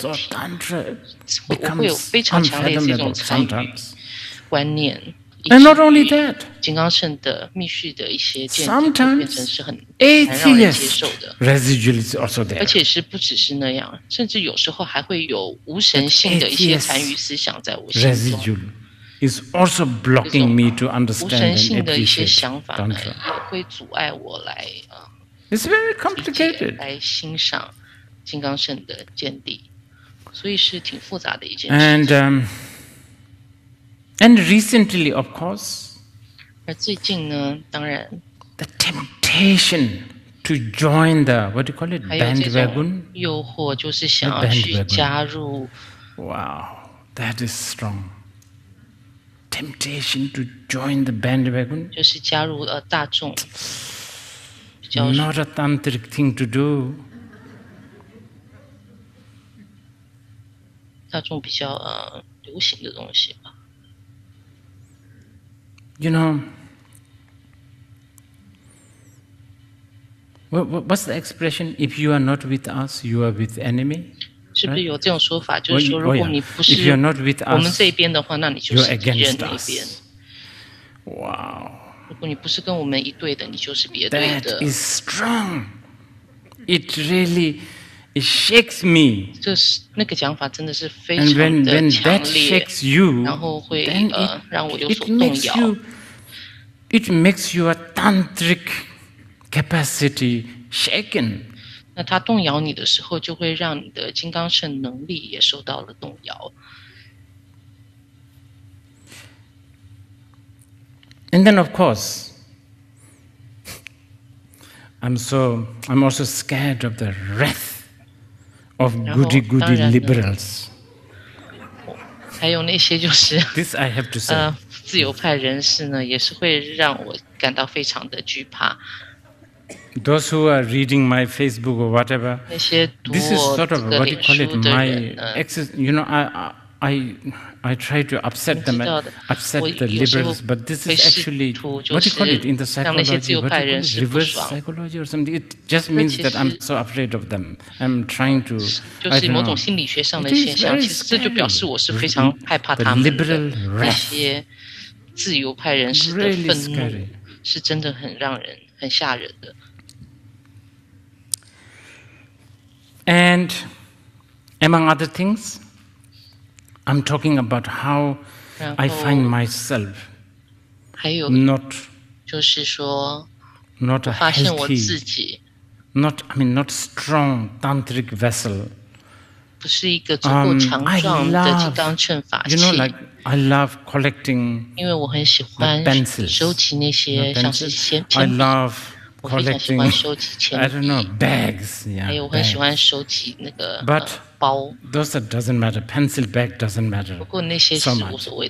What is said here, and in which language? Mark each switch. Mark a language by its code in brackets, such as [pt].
[en] So tantra becomes unfathomable sometimes. [zh] 观念 [en] And not only that. [zh] 金刚乘的密续的一些见地 [en] Sometimes [zh] 变成是很难让人接受的 [en] Residue is also there. [zh] 而且是不只是那样，甚至有时候还会有无神性的一些残余思想在我心中 [en] Residue is also blocking me to understand and appreciate tantra. [zh] 也会阻碍我来 [en] It's very complicated. [zh] 来欣赏金刚乘的见地，所以是挺复杂的一件事。 [en] And recently, of course. [zh] 而最近呢，当然。 [en] The temptation to join the what do you call it bandwagon. [zh] 诱惑就是想要去加入。 [en] Wow, that is strong. temptation to join the bandwagon? [zh] 就是加入大众。 [en] Not a tantric thing to do. [zh] 大众比较流行的东西吧。 [en] You know, what's the expression? If you are not with us, you are with enemy. [zh] 是不是有这种说法？就是说，如果你不是我们这边的话，那你就是敌人那边。哇！如果你不是跟我们一队的，你就是别队的。 [en] That is strong. It really it shakes me. [zh] 这是那个讲法，真的是非常的强烈。 [en] And when that shakes you, [zh] 然后会让我有所动摇。 [en] It makes your tantric capacity shaken. [zh] 那他动摇你的时候，就会让你的金刚圣能力也受到了动摇。 [en] And then, of course, I'm also scared of the wrath of goody goody liberals. [zh] 还有那些就是 [en] this I have to say. [zh] 自由派人士呢，也是会让我感到非常的惧怕。 [en] Those who are reading my Facebook or whatever, this is sort of what you call it, my access. You know, I try to upset them, upset the liberals, but this is actually what you call it in the psychology, what you call it, reverse psychology or something. It just means that I'm so afraid of them. I'm trying to. I don't know. It is very scary. The liberal wrath. Really scary. [zh] 是真的很让人很吓人的。 [en] And among other things, I'm talking about how I find myself not, [zh] 就是说 [en] not a healthy, [zh] 我发现我自己 [en] not, I mean, not strong tantric vessel. [zh] 不是一个足够强壮的金刚乘法器。 [en] You know, like, I love collecting pencils. [zh] 因为我很喜欢收集那些像是铅笔。 [en] I love, collecting, I don't know, bags, yeah, bags. But those that doesn't matter, pencil bag doesn't matter so much.